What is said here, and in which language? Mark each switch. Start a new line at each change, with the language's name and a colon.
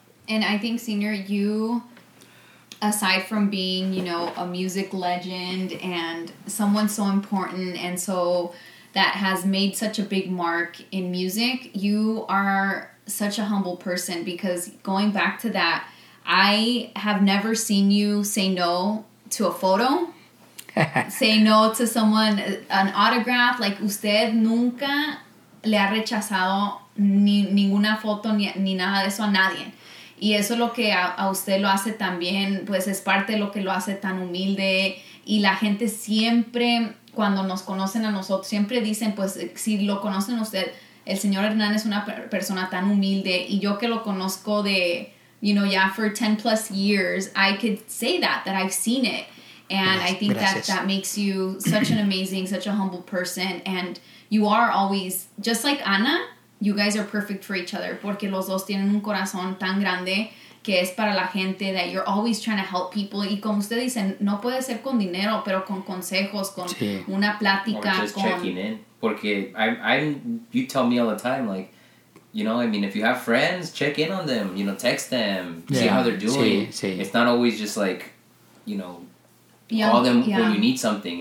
English: And I think, Senior, you, aside from being, you know, a music legend and someone so important and so that has made such a big mark in music, you are such a humble person, because going back to that, I have never seen you say no to a photo, say no to someone, an autograph.
Spanish: Like, usted nunca le ha rechazado ninguna foto ni nada de eso a nadie. Y eso es lo que a usted lo hace también, pues es parte de lo que lo hace tan humilde. Y la gente siempre, cuando nos conocen a nosotros, siempre dicen, pues si lo conocen a usted, el señor Hernán es una persona tan humilde. Y yo que lo conozco de,
English: you know, ya for 10 plus years, I could say that I've seen it. And gracias, I think that makes you such an amazing, such a humble person. And you are always, just like Ana, you guys are perfect for each other,
Spanish: porque los dos tienen un corazón tan grande que es para la gente,
English: that you're always trying to help people.
Spanish: Y como usted dice, no puede ser con dinero, pero con consejos, con una plática.
English: Or just checking in. Porque you tell me all the time, like, you know, I mean, if you have friends, check in on them, you know, text them, see how they're doing. It's not always just like, you know, call them when you need something.